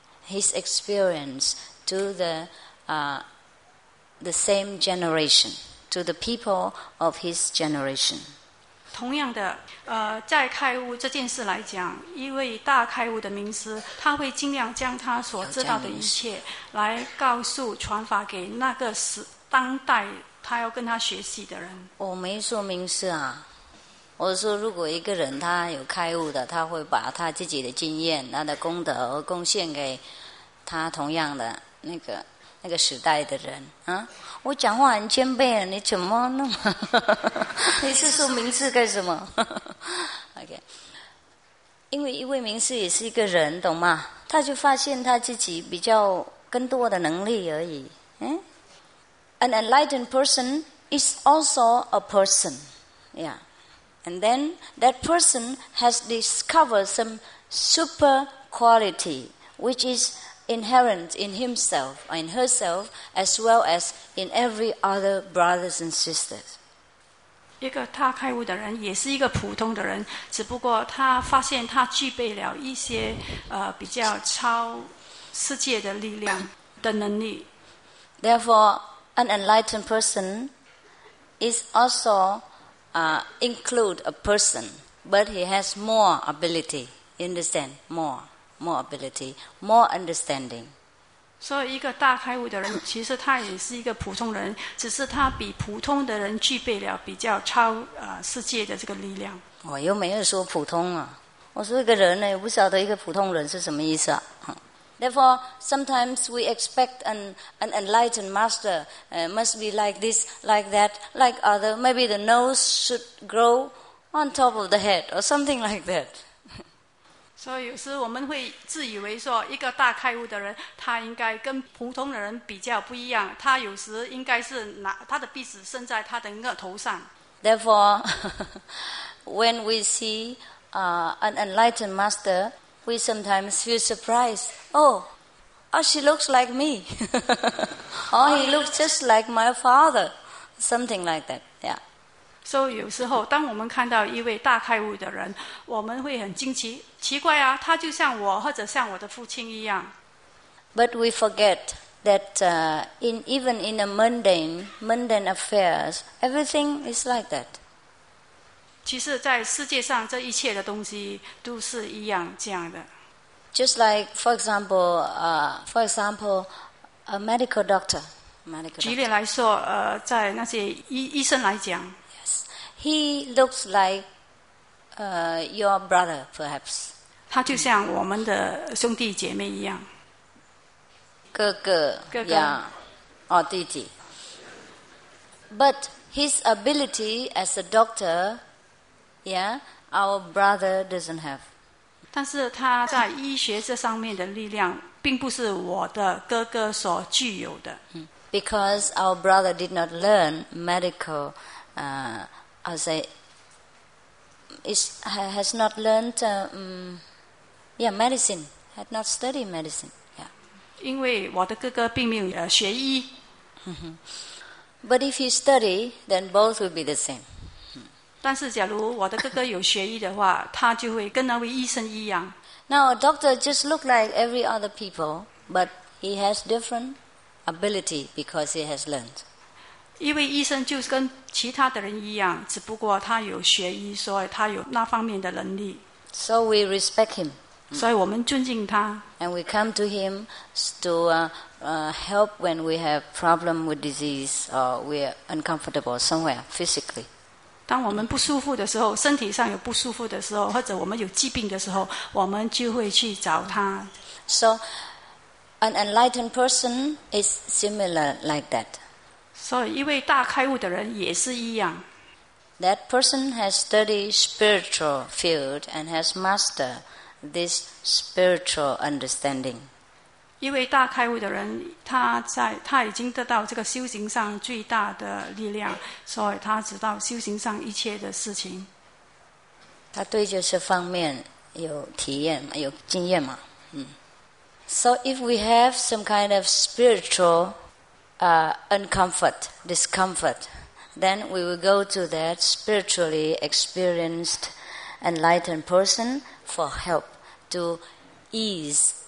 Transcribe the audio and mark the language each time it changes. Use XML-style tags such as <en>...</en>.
<en>His experience to the same generation, to the people of his generation.</en> <zh>同样的，在开悟这件事来讲，一位大开悟的名师，他会尽量将他所知道的一切来告诉、传法给那个时当代他要跟他学习的人。我没说名师啊，我说如果一个人他有开悟的，他会把他自己的经验、他的功德贡献给。他同样的那个时代的人啊，我讲话很谦卑，你怎么那么？你是说名师干什么？OK， 因为一位名师也是一个人，懂吗？他就发现他自己比较更多的能力而已。</zh> <en>An enlightened person is also a person, yeah, and then that person has discovered some super quality, which is. Inherent in himself or in herself, as well as in every other brothers and sisters.</en> <zh>一个大开悟的人也是一个普通的人，只不过他发现他具备了一些比较超世界的力量的能力。</zh> <en>Therefore, an enlightened person is also include a person, but he has more ability. You understand? More ability, more understanding.</en> <zh>所以一个大开悟的人，其实他也是一个普通人，只是他比普通的人具备了比较超世界的这个力量。我又没有说普通啊，我说一个人呢，也不晓得一个普通人是什么意思啊。</zh> <en>Therefore, sometimes we expect an enlightened master must be like this, like that, like other. Maybe the nose should grow on top of the head or something like that.</en> <zh>So, 有时我们会自以为说一个大开悟的人，他应该跟普通的人比较不一样。他有时应该是拿他的鼻子伸在他的额头上。</zh> <en>Therefore, when we see an enlightened master,We sometimes feel surprised. Oh, she looks like me. Or he looks just like my father. Something like that. Yeah.</en> <zh>So, 有时候当我们看到一位大开悟的人，我们会很惊奇，奇怪啊，他就像我或者像我的父亲一样。</zh> <en>But we forget that even in a mundane affairs, everything is like that.</en> <zh>其实在世界上这一切的东西都是一样这样的。</zh> <en>Just like, for example, a medical doctor. Medical doctor.</en> <zh>举例来说，在那些医生来讲。</zh> <en>Yes. He looks like, your brother, perhaps.</en> <zh>他就像我们的兄弟姐妹一样。哥哥。</zh> <en>Yeah. Or</en> <zh>弟弟。</zh> <en>But his ability as a doctor,Yeah, our brother doesn't have.</en> <zh>但是他在医学这上面的力量并不是我的哥哥所具有的。</zh> <en>Because our brother did not learn medical, has not learned, medicine, had not studied medicine. Yeah.</en> <zh>因为我的哥哥并没有学医。</zh> <en>But if he study, then both will be the same.</en> <zh>但是假如我的哥哥有学医的话，他就会跟那位医生一样。</zh> <en>Now, a doctor just look like every other people, but he has different ability because he has learned.</en> <zh>一位医生就跟其他的人一样，只不过他有学医，所以他有那方面的能力。</zh> <en>So we respect him.</en> <zh>所以我们尊敬他。</zh> <en>And we come to him to help when we have problem with disease or we are uncomfortable somewhere physically.</en> <zh>当我们不舒服的时候，身体上有不舒服的时候，或者我们有疾病的时候，我们就会去找他。</zh> <en>So, an enlightened person is similar like that.</en> <zh>所以，一位大开悟的人也是一样。</zh> <en>That person has studied spiritual field and has mastered this spiritual understanding.</en> <zh>一位大开悟的人，他已经得到这个修行上最大的力量，所以他知道修行上一切的事情。他对这些方面有体验，有经验嘛？</zh> <en>So if we have some kind of spiritual uncomfort, discomfort, then we will go to that spiritually experienced, enlightened person for help to ease.</en>